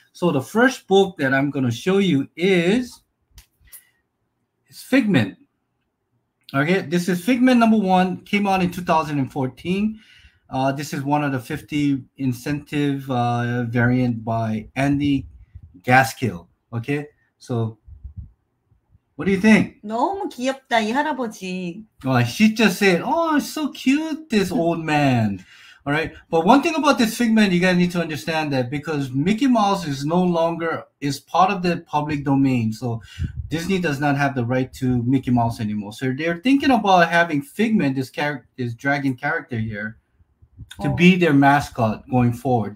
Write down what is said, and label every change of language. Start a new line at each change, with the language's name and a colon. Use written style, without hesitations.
English: So the first book that I'm going to show you is Figment. Okay, this is Figment number one, came out in 2014. This is one of the 50 incentive variant by Andy Gaskill. Okay, so what do you think?
Korean: 너무 귀엽다, 이 할아버지.
English: She just said, oh, so cute, this old man. All right, but one thing about this Figment, you guys need to understand that because Mickey Mouse is no longer, is part of the public domain. So Disney does not have the right to Mickey Mouse anymore. So they're thinking about having Figment, this character, this dragon character here, to be their mascot going forward.